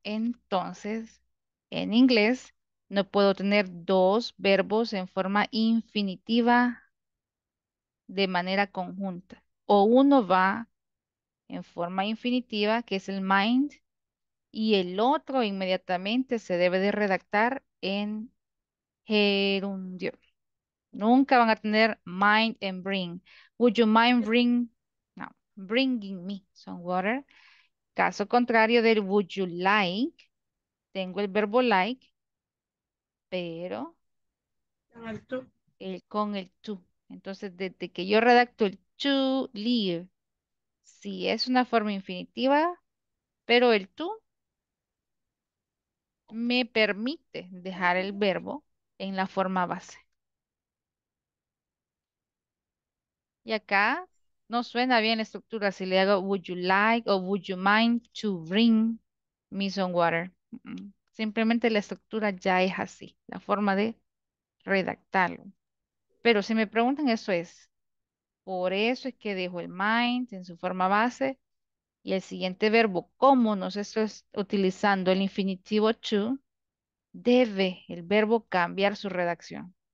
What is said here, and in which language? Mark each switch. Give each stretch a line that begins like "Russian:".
Spanish: Entonces, en inglés, no puedo tener dos verbos en forma infinitiva de manera conjunta. O uno va en forma infinitiva, que es el mind, y el otro inmediatamente se debe de redactar en gerundio. Nunca van a tener
English: mind and bring. Would you mind bring, no, bringing me some water?
Spanish: Caso contrario del
English: would you like,
Spanish: tengo el verbo like, pero con el to. Entonces, desde que yo redacto el to leave, sí es una forma infinitiva, pero el to me permite dejar el verbo en la forma base. Y acá no suena bien la estructura si le hago
English: would you like
Spanish: o
English: would you mind to bring me some water.
Spanish: Simplemente la estructura ya es así, la forma de redactarlo. Pero si me preguntan, eso es. Por eso es que dejo el mind en su forma base y el siguiente verbo, como no se está utilizando el infinitivo to, debe el verbo cambiar su redacción.